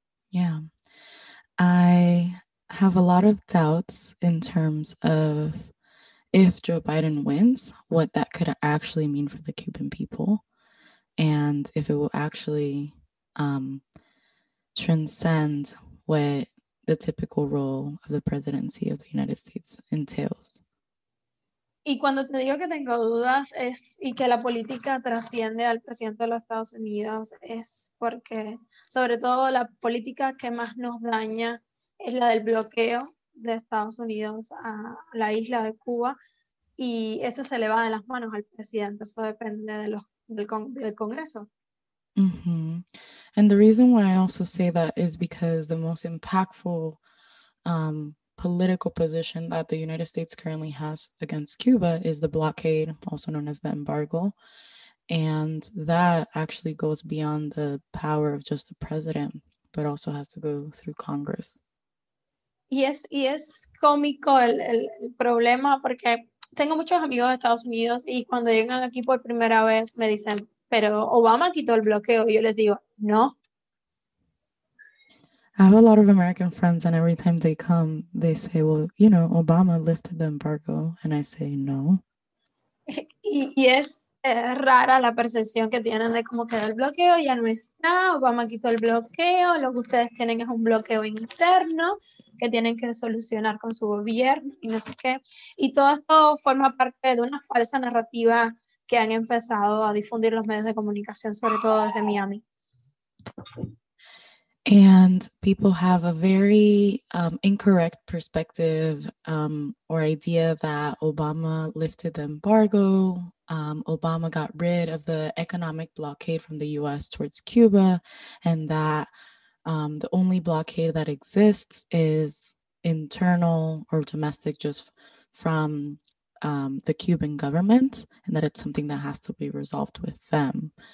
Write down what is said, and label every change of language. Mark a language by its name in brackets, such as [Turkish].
[English] Yeah, I have a lot of doubts in terms of if Joe Biden wins, what that could actually mean for the Cuban people, and if it will actually transcend what the typical role of the presidency of the United States entails. [Spanish] Y cuando te digo que tengo dudas es y que la política trasciende al presidente de los Estados Unidos es porque sobre todo la política que más nos daña es la del bloqueo de Estados Unidos a la isla de Cuba. Y eso se le va de las manos al presidente. Eso depende de del Congreso. Mm-hmm. [English] And the reason why I also say that is because the most impactful political position that the United States currently has against Cuba is the blockade, also known as the embargo. And that actually goes beyond the power of just the president, but also has to go through Congress. [Spanish] Y es cómico el problema, porque tengo muchos amigos de Estados Unidos y cuando llegan aquí por primera vez me dicen, pero Obama quitó el bloqueo. Y yo les digo, no. [English] I have a lot of American friends, and every time they come, they say, well, you know, Obama lifted the embargo, and I say, no. [Spanish] Y es rara la percepción que tienen de cómo quedó el bloqueo, ya no está, Obama quitó el bloqueo, lo que ustedes tienen es un bloqueo interno que tienen que solucionar con su gobierno y no sé qué. Y todo esto forma parte de una falsa narrativa que han empezado a difundir los medios de comunicación, sobre todo desde Miami. [English] And people have a very incorrect perspective or idea that Obama lifted the embargo. Obama got rid of the economic blockade from the U.S. towards Cuba, and that the only blockade that exists is internal or domestic, just from the Cuban government, and that it's something that has to be resolved with them.